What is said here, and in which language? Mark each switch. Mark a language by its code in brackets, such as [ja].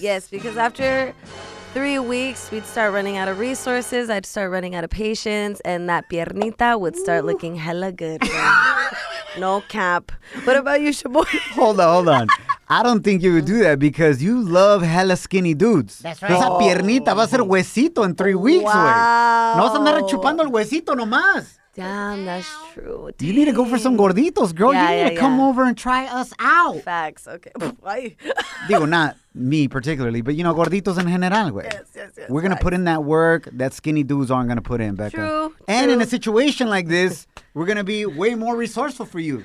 [en] Yes, because after 3 weeks, we'd start running out of resources. I'd start running out of patience. And that piernita would start looking hella good. No cap. What about you, Shaboy? Hold on. I don't think you would do that because you love hella skinny dudes. That's right. [es] Esa piernita va a ser huesito [en] in 3 weeks, [es] güey. No vas a andar chupando el huesito nomás. [en] Damn, that's true. You need to go for some gorditos, girl. Yeah, you need to come over and try us out. Facts. Okay. Why? Digo, not me particularly, but you know, [es] gorditos en general, güey. [en] Yes. We're going to put in that work that skinny dudes aren't going to put in, Becca. True. And in a situation like this, we're going to be way more resourceful for you.